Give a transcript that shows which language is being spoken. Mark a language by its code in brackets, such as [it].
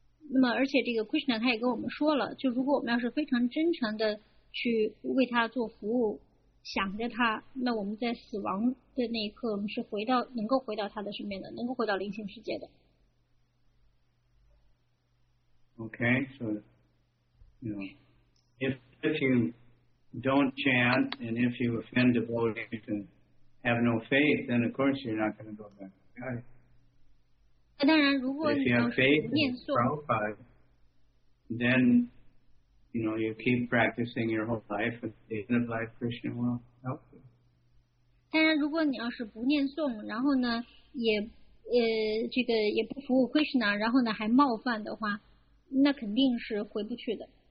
[zh] 那么而且这个 Krishna 他也跟我们说了，就如果我们要是非常真诚的去为他做服务，想着他，那我们在死亡的那一刻，我们是能够回到他的身边的，能够回到灵性世界的。 [en] Okay, so, you know, if you don't chant and if you offend devotees and have no faith, then of course you're not going to go back. Okay. [zh] 当然如果你 [en] if you have faith in Prabhupada, then, you know, you keep practicing your whole life and the end of life, Krishna will help you. [zh] 当然，如果你要是不念诵，然后呢，也这个也不服务 Krishna， 然后呢还冒犯的话，那肯定是回不去的。